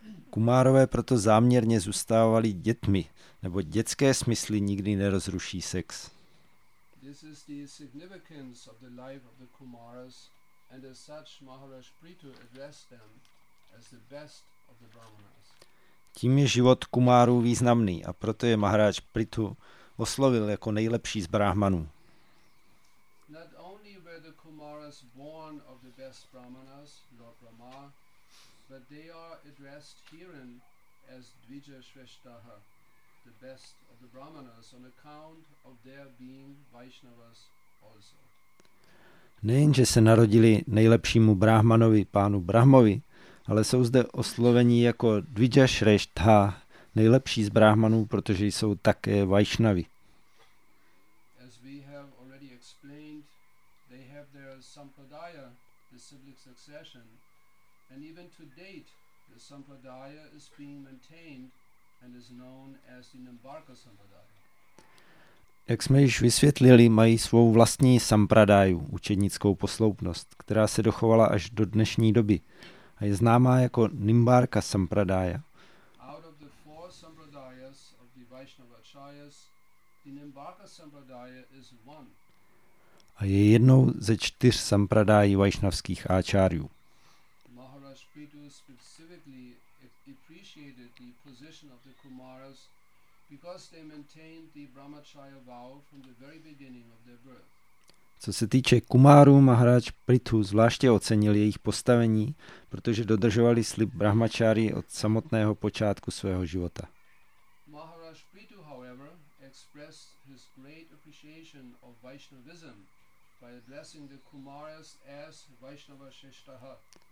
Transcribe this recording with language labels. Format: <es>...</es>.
<cs>Kumárové proto záměrně zůstávali dětmi, nebo dětské smysly nikdy nerozruší sex.</cs> <en>This is the significance of the life of the Kumaras, and as such Maharaj Prithu addressed them as the best of the Brahmanas.</en> <cs>Tím je život Kumáru významný a proto je Maharaj Prithu oslovil jako nejlepší z brahmanů.</cs> <en>Not only were the Kumaras born of the best Brahmanas, Lord Brahma, but they are addressed herein as Dvijashrestha, the best of the Brahmanas, on account of their being Vaishnavas also.</en> <cs>Nejenže se narodili nejlepšímu brahmanovi, pánu Brahmovi, ale jsou zde osloveni jako Dvijashrestha, nejlepší z brahmanů, protože jsou také Vaishnavi.</cs> <en>As we have already explained, they have their sampradaya, the siblic succession, and even to date, the sampradaya is being maintained and is known as the Nimbarka Sampradaya.</en> <cs>Jak jsme již vysvětlili, mají svou vlastní sampradáju, učednickou posloupnost, která se dochovala až do dnešní doby a je známá jako Nimbarka Sampradaya.</cs> <en>Out of the four sampradayas of the Vaishnava Acharyas, the Nimbarka Sampradaya is one.</en> <cs>a je jednou ze čtyř sampradájí vajšnavských áčárjů.</cs> <en>Maharaj Prithu specifically appreciated the position of the Kumaras because they maintained the Brahmacharya vow from the very beginning of their birth.</en> <cs>Co se týče Kumáru, Maharaj Prithu zvláště ocenil jejich postavení, protože dodržovali slib Brahmacharyi od samotného počátku svého života.</cs> <en>Maharaj Prithu, however, expressed his great appreciation of Vaishnavism by addressing the Kumaras as Vaishnava Shrestha.</en>